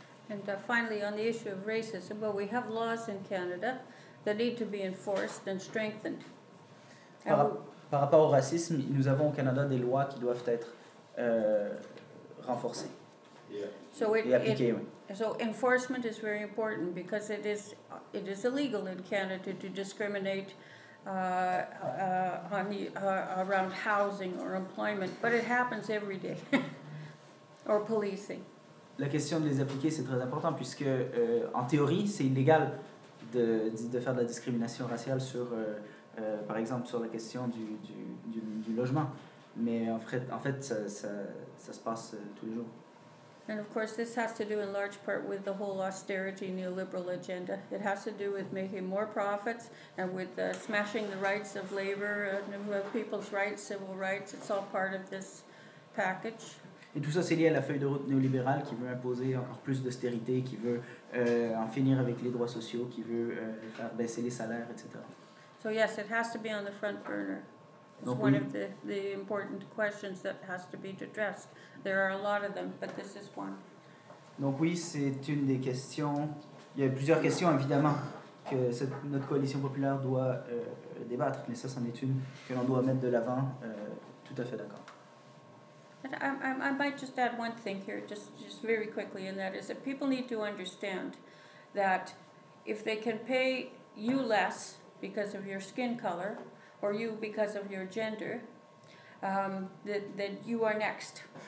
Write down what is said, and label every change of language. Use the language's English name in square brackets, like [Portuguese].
[English] And finally, on the issue of racism, well, we have laws in Canada that need to be enforced and strengthened. [French] Par rapport au racisme, nous avons au Canada des lois qui doivent être renforcées. [English] So so enforcement is very important because it is illegal in Canada to discriminate around housing or employment, but it happens every day. Or policing. [French] La question de les appliquer, c'est très important puisque en théorie c'est illégal de faire de la discrimination raciale sur par exemple sur la question du logement, mais en fait ça se passe tous les jours. [English] And of course, this has to do in large part with the whole austerity neoliberal agenda. It has to do with making more profits and with smashing the rights of labor, people's rights, civil rights. It's all part of this package. [French] Et tout ça, c'est lié à la feuille de route néolibérale qui veut imposer encore plus d'austérité, qui veut en finir avec les droits sociaux, qui veut faire baisser les salaires, etc. [English] So yes, it has to be on the front burner. It's one of the important questions that has to be addressed. There are a lot of them, but this is one. [French] Donc oui, c'est une des questions. Il y a plusieurs questions, évidemment, que notre coalition populaire doit débattre, mais ça, c'en est une que l'on doit mettre de l'avant. Tout à fait d'accord. [English] But I might just add one thing here, just very quickly, and that is that people need to understand that if they can pay you less because of your skin color, or you because of your gender, that you are next.